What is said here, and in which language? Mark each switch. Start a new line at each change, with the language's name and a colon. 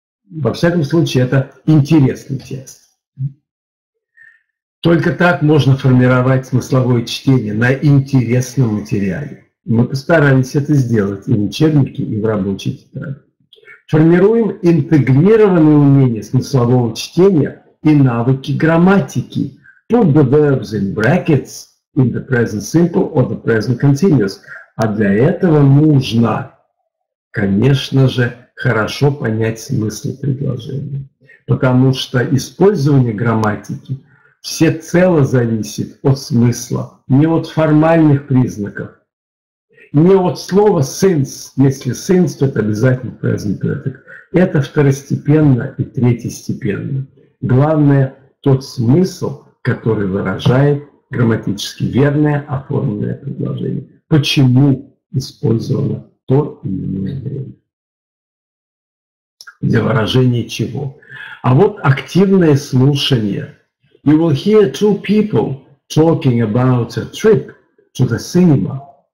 Russian: Во всяком случае, это интересный текст. Только так можно формировать смысловое чтение на интересном материале. Мы постарались это сделать и в учебнике, и в рабочей тетради. Формируем интегрированные умения смыслового чтения и навыки грамматики.
English: Put the verbs in brackets in the present simple or the present continuous.
Russian: А для этого нужно, конечно же, хорошо понять смысл предложения. Потому что использование грамматики всецело зависит от смысла, не от формальных признаков. Не от слова since, если since, то это обязательно present perfect. Это второстепенно и третьестепенно. Главное тот смысл, который выражает грамматически верное оформленное предложение. Почему использовано то или иное время? Для выражения чего? А вот активное слушание.
English: You will hear two people talking about a trip to the cinema.